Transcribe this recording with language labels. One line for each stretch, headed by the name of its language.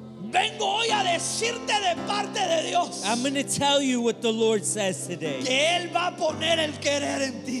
Spanish: Vengo hoy a decirte de parte de Dios.
English: I'm going to tell you what the Lord says today.
Spanish: Que Él va a poner el querer en ti.